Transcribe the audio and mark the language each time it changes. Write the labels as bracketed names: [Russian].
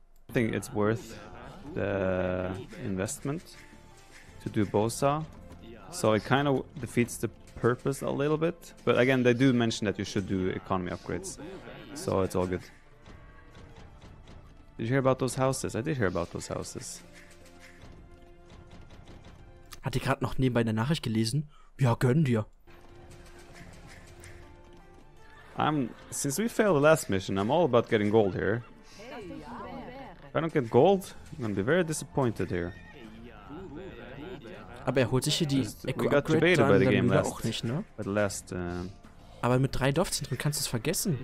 [English] I think it's worth the investment to do Bowser. So it kind of defeats the purpose a little bit. But again, they do mention that you should do economy upgrades. So it's all good. Did you hear about those houses? I did hear about those houses. [German] Hat die gerade noch nebenbei eine Nachricht gelesen? Ja, gönn dir. [English] Since we failed the last mission, I'm all about getting gold here. If I don't get gold, I'm gonna be very disappointed here. [German] Aber er holt sich hier die Eco-Upgrade, dann wir auch nicht, ne? [English] But last, [German] aber mit drei Dorfzentren kannst du es vergessen.